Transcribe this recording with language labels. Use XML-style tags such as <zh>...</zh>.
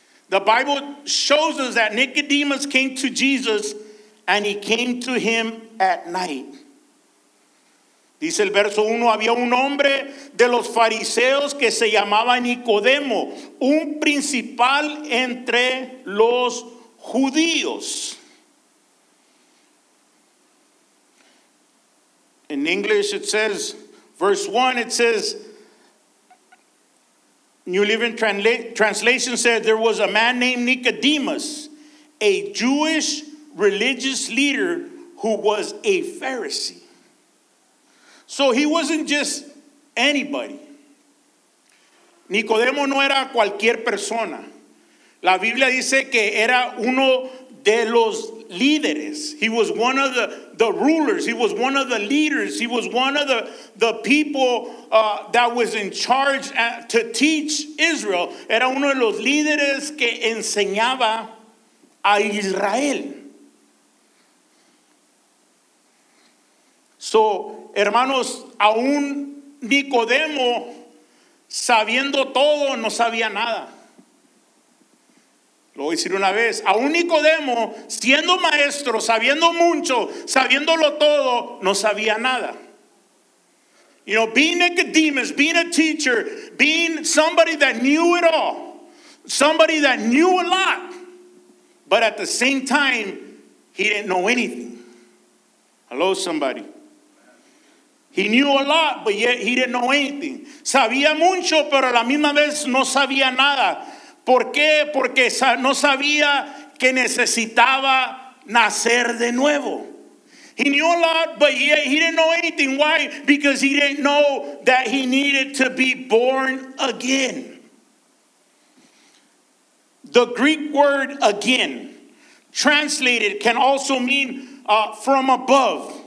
<en>The Bible shows us that Nicodemus came to Jesus and he came to him at night.</en> <es>Dice el verso 1, había un hombre de los fariseos que se llamaba Nicodemo, un principal entre los judíos.</es> <en>In English it says, verse 1, it says, New Living Translation said, there was a man named Nicodemus, a Jewish religious leader who was a Pharisee. So he wasn't just anybody.</en> <es>Nicodemo no era cualquier persona. La Biblia dice que era uno de los líderes.</es> <en>He was one of the rulers. He was one of the leaders. He was one of the people that was in charge to teach Israel.</en> <es>Era uno de los líderes que enseñaba a Israel.</es> <en>So,</en> <es>hermanos, aún Nicodemo, sabiendo todo, no sabía nada. Lo voy a decir una vez, a un Nicodemo, siendo maestro, sabiendo mucho, sabiéndolo todo, no sabía nada.</es> <en>You know, being Nicodemus, being a teacher, being somebody that knew it all, somebody that knew a lot, but at the same time, he didn't know anything. Hello, somebody. He knew a lot, but yet he didn't know anything.</en> <es>Sabía mucho, pero a la misma vez no sabía nada. ¿Por qué? Porque no sabía que necesitaba nacer de nuevo.</es> <en>He knew a lot, but he didn't know anything. Why? Because he didn't know that he needed to be born again. The Greek word again, translated, can also mean from above.</en>